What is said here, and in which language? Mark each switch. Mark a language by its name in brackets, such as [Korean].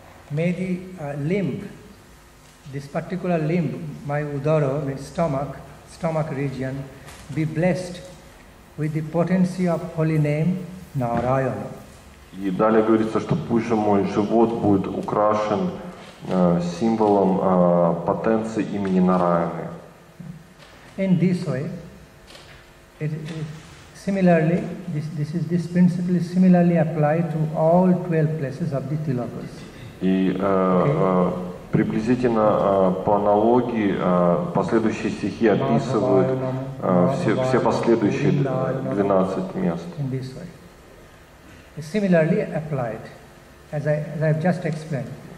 [English] May the limb, this particular limb, my udara, my stomach region, be blessed with the potency of holy name Narayana. [Russian] И далее говорится, что пусть же мой живот будет украшен символом потенции имени Нараяны. [English] In this way, similarly, this principle is similarly applied to all 12 places of the Tilakas. [Russian] И приблизительно по аналогии последующие стихи описывают все последующие 12 мест. [English] In this way. It's similarly applied, as I have just explained.